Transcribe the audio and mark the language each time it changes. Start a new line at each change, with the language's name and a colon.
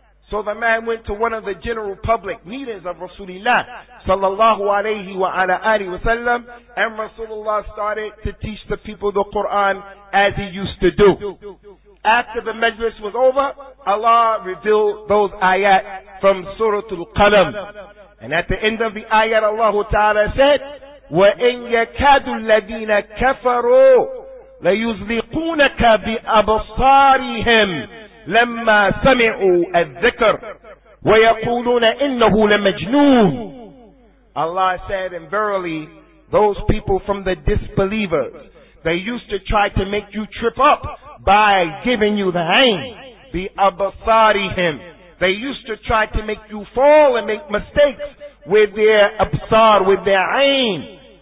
English: So the man went to one of the general public meetings of Rasulullah sallallahu alayhi wa alayhi wa sallam, and Rasulullah started to teach the people the Quran as he used to do. After the majlis was over, Allah revealed those ayat from Surah Al-Qalam. And at the end of the ayat, Allah Ta'ala said,
Arabic: وَإِنْ يَكَادُ الَّذِينَ كَفَرُوا لَيُزْلِقُونَكَ بِأَبْصَارِهِمْ لما سمعوا الذكر ويقولون إنه لمجنون.
English: Allah said, and verily, those people from the disbelievers, they used to try to make you trip up by giving you the ayn, the abasarihim. They used to try to make you fall and make mistakes with their absar, with their ayn.